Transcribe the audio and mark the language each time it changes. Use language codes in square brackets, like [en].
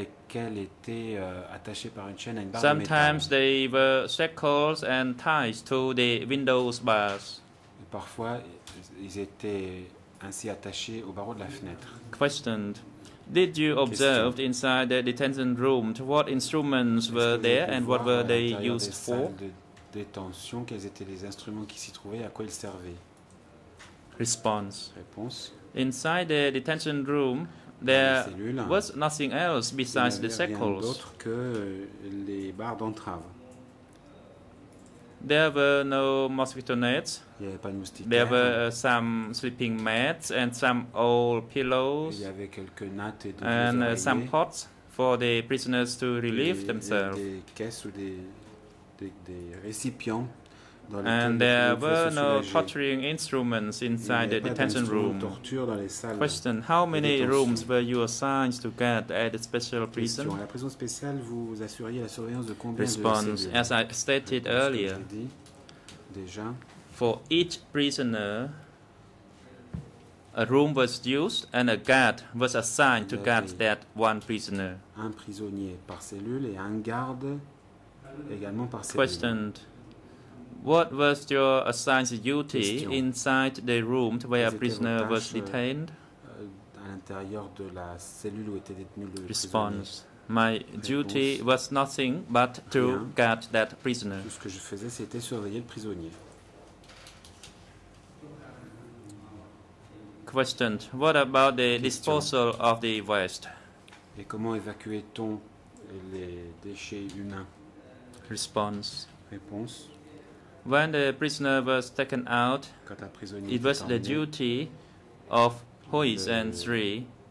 [en] Sometimes they were shackled and tied to the windows bars. [fr] Parfois, ils étaient ainsi attachés au barreau de la fenêtre. Question. [en] Did you observe inside the detention room what instruments were there and what were they used for? [fr] Détention, quels étaient les instruments qui s'y trouvaient et à quoi ils servaient? Réponse. [en] Inside the detention room, there was nothing else besides the shackles. [fr] D'autre que les barres d'entrave. [en] There were no mosquito nets. [fr] Il y avait pas de moustiquaires. [en] There were some sleeping mats and some old pillows. [fr] Il y avait quelques nattes et [en] and some pots for the prisoners to relieve themselves. [fr] Des caisses ou des récipients dans [en] and there were no [fr] soulager. [en] Torturing instruments inside the detention room. [fr] Torture dans les salles. [en] Question: how many rooms were you assigned to guard at the special prison? [fr] À la prison spéciale, vous assuriez la surveillance de combien [en] response, [fr] de cellules? [en] Response: as I stated earlier, [fr] déjà, [en] for each prisoner, a room was used and a guard was assigned to guard that one prisoner. [fr] Un prisonnier par cellule et un garde également par cellule. [en] Question: what was your assigned duty inside the room where a prisoner was detained? [fr] À l'intérieur de la cellule où était détenu le [en] response. [fr] Prisonnier. [en] My réponse. Duty was nothing but to [fr] rien. [en] Guard that prisoner. [fr] Tout ce que je faisais, c'était surveiller le prisonnier. [en] Question: what about the disposal of the waste? [fr] Et comment évacuait-on les déchets humains? [en] Response. [fr] Réponse. [en] When the prisoner was taken out, it was the duty of Huis and Three.